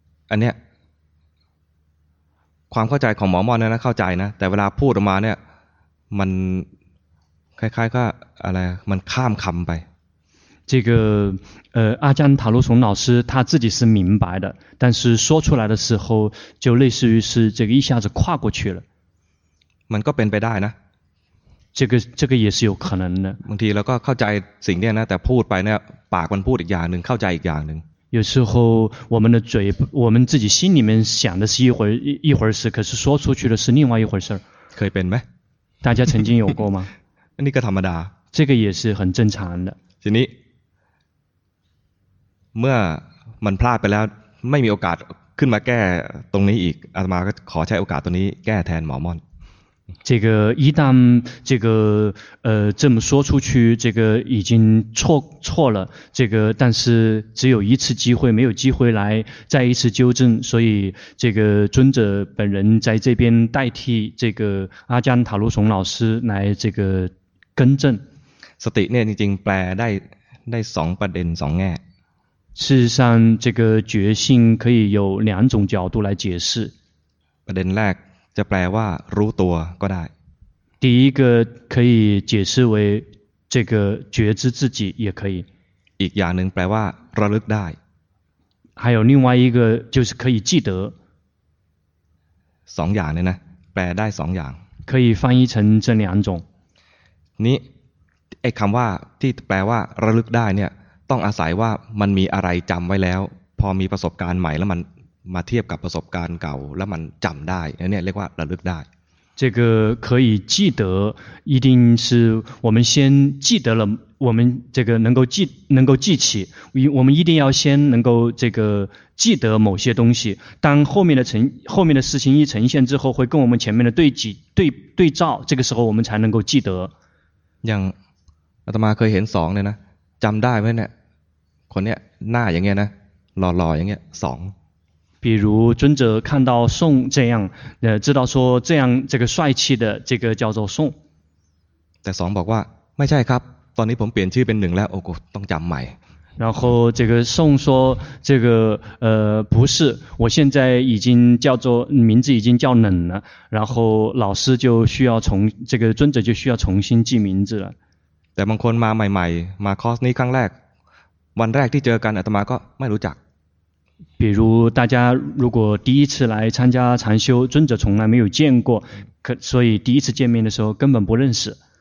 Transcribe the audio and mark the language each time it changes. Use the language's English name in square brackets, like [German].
[Thai] อันเนี้ยความเข้าใจของหมอมอนเนี่ยนะเข้าใจนะแต่เวลาพูดออกมาเนี่ยมันคล้ายๆก็อะไรมันข้ามคำไป [Chinese] 这个阿姜塔罗松老师他自己是明白的但是说出来的时候就类似于是这个一下子跨过去了 [Thai] มันก็เป็นไปได้นะ [Chinese] 这个也是有可能的 [Thai] บางทีเราก็เข้าใจสิ่งเนี้ยนะแต่พูดไปเนี่ยปากมันพูดอีกอย่างนึงเข้าใจอีกอย่างนึง [Chinese] 有时候我们的嘴我们自己心里面想的是一会儿事可是说出去的是另外一会儿事 [Thai] เคยเป็นไหม [Chinese] 大家曾经有过吗 [Thai] นี่ก็ธรรมดา [Chinese] 这个也是很正常的 [Thai] ทีนี้เมื่อมันพลาดไปแล้วไม่มีโอกาสขึ้นมาแก้ตรงนี้อีกอาตมาก็ขอใช้โอกาสตรงนี้แก้แทนหมอม่อน [Chinese] 这个一旦这个这么说出去，这个已经错了。这个但是只有一次机会，没有机会来再一次纠正。所以这个尊者本人在这边代替这个阿姜塔罗松老师来这个更正。 [Thai] สติเนี่ยจริงๆแปลได้สองประเด็นสองแง่。 [Chinese] 事实上，这个觉性可以有两种角度来解释。 [Thai] ประเด็นแรกจะแปลว่ารู้ตัวก็ได้。 [Chinese] 第一个可以解释为这个觉知自己也可以。 [Thai] อีกอย่างหนึ่งแปลว่าระลึกได้。 [Chinese] 还有另外一个就是可以记得。 [Thai] สองอย่างเนี่ยนะแปลได้สองอย่าง。 [Chinese] 可以翻译成这两种。 [Thai] นี่ไอ้คำว่าที่แปลว่าระลึกได้เนี่ยต้องอาศัยว่ามันมีอะไรจำไว้แล้วพอมีประสบการณ์ใหม่แล้วมันมาเทียบกับประสบการณ์เก่าแล้วมันจำได้แล้วเนี่ยเรียกว่าระลึกได้ [Chinese] 这个可以记得一定是我们先记得了我们这个能够记起我们一定要先能够这个记得某些东西当后面的事情一呈现之后会跟我们前面的对照这个时候我们才能够记得 [Thai] อย่างอาตมาเคยเห็นสองเลยนะจำได้ไหมเนี่ยคนเนี้ยหน้าอย่างเงี้ยนะหล่อๆอย่างเงี้ยสอง [Chinese] 比如尊者看到宋这样知道说这样这个帅气的这个叫做宋 [Thai] แต่สองบอกว่าไม่ใช่ครับตอนนี้ผมเปลี่ยนชื่อเป็นหนึ่งแล้วโอ้โหต้องจำใหม่ [Chinese] 然后这个宋说这个不是我现在已经叫做名字已经叫冷了然后老师就需要从这个尊者就需要重新记名字了 [Thai] แต่บางคนมาใหม่ๆมาคอร์สนี้ครั้งแรกวันแรกที่เจอกันอาตมาก็ไม่รู้จัก [Chinese] 比如大家如果第一次来参加禅修尊者从来没有见过所以第一次见面的时候根本不认识